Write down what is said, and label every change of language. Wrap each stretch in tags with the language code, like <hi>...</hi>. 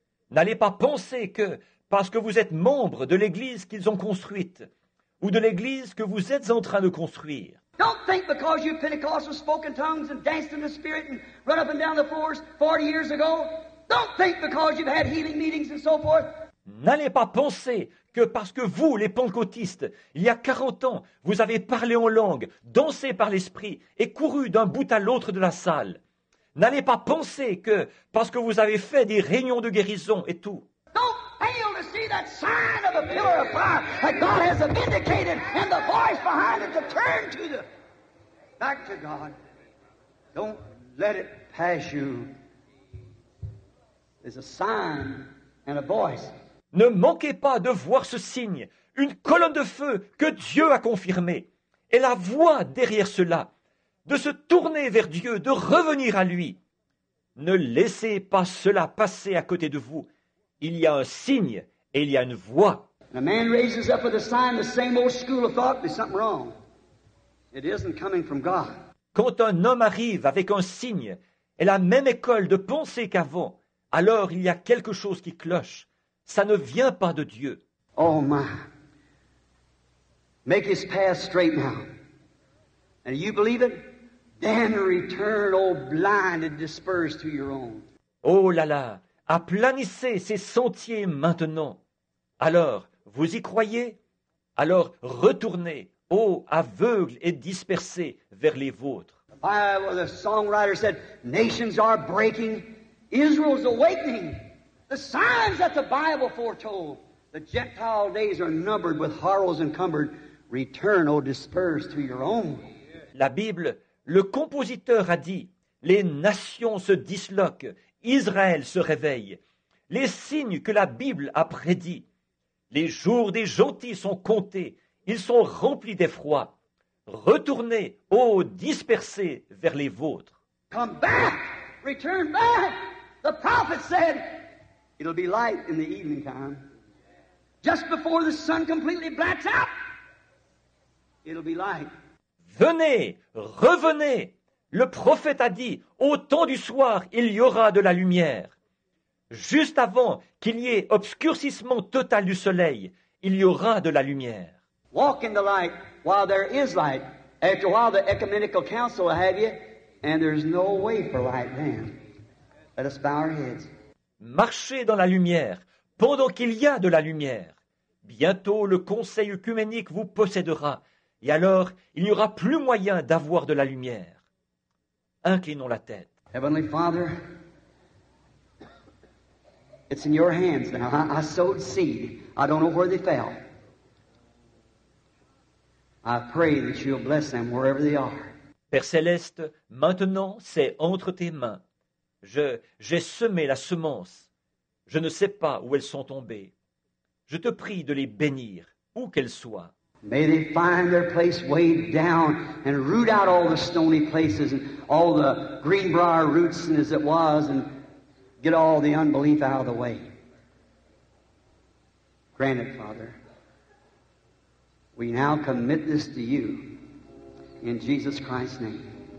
<fr>N'allez pas penser que parce que vous êtes membre de l'église qu'ils ont construite ou de l'église que vous êtes en train de construire.</fr> <en>Don't think because you Pentecostals spoke in tongues and danced in the spirit and run up and down the floors 40 years ago. Don't think because you've had healing meetings and so forth.</en> <fr>N'allez pas penser que parce que vous, les pentecôtistes, il y a 40 ans, vous avez parlé en langue, dansé par l'esprit et couru d'un bout à l'autre de la salle. N'allez pas penser que parce que vous avez fait des réunions de guérison et tout.</fr> <en>Don't fail to see that sign of a pillar of fire that God has vindicated and the voice behind it to turn to the back to God. Don't let it pass you. There's a sign and a voice.</en> <fr>Ne manquez pas de voir ce signe, une colonne de feu que Dieu a confirmée, et la voie derrière cela, de se tourner vers Dieu, de revenir à lui. Ne laissez pas cela passer à côté de vous. Il y a un signe et il y a une voie.</fr> <en>A man raises up with a sign, the same old school of thought, there's something wrong. It isn't coming from God.</en> <fr>Quand un homme arrive avec un signe et la même école de pensée qu'avant, alors il y a quelque chose qui cloche. Ça ne vient pas de Dieu.</fr> <en>Oh my. Make his path straight now. And you believe it? Then return, oh blind and dispersed to your own.</en> <fr>Oh là là, aplanissez ces sentiers maintenant. Alors, vous y croyez? Alors, retournez, oh aveugle et dispersé, vers les vôtres.</fr> <en>The songwriter said, nations are breaking, Israel's awakening. The signs that the Bible foretold, the Gentile days are numbered with horrors encumbered. Return, oh dispersed to your own.</en> <fr>La Bible, le compositeur a dit, les nations se disloquent, Israël se réveille. Les signes que la Bible a prédits, les jours des gentils sont comptés, ils sont remplis d'effroi. Retournez, ô dispersés, vers les vôtres.</fr> <en>Come back, return back. The prophet said, it'll be light in the evening time. Just before the sun completely blacks out, it'll be light.</en> <fr>Venez, revenez. Le prophète a dit, au temps du soir, il y aura de la lumière. Juste avant qu'il y ait obscurcissement total du soleil, il y aura de la lumière.</fr> <en>Walk in the light while there is light. After a while, the ecumenical council will have you, and there's no way for light then. Let us bow our heads.</en> <fr>Marchez dans la lumière pendant qu'il y a de la lumière. Bientôt, le conseil œcuménique vous possédera. Et alors, il n'y aura plus moyen d'avoir de la lumière. Inclinons la tête.</fr> <en>Heavenly Father, it's in your hands now. I sowed seed. I don't know where they fell. I pray that you'll bless them wherever they are.</en> <fr>Père Céleste, maintenant, c'est entre tes mains. J'ai semé la semence. Je ne sais pas où elles sont tombées. Je te prie de les bénir, où qu'elles soient.</fr> <en>May they find their place way down and root out all the stony places and all the greenbrier roots and as it was and get all the unbelief out of the way. Grant it, Father. We now commit this to you in Jesus Christ's name.</en>